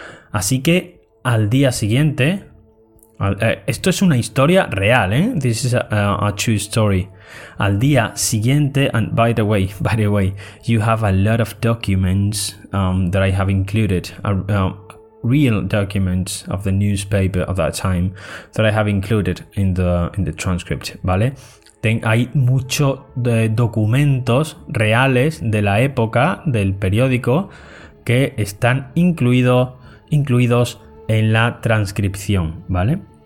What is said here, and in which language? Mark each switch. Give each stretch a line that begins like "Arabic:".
Spanish: Así que al día siguiente, esto es una historia real, ¿eh?
English: This is a true story.
Spanish: Al día siguiente,
English: and by the way, you have a lot of documents that I have included, real documents of the newspaper of that time that I have included in the transcript,
Spanish: ¿vale? Hay muchos documentos reales de la época del periódico que están incluidos en la transcripción, ¿vale?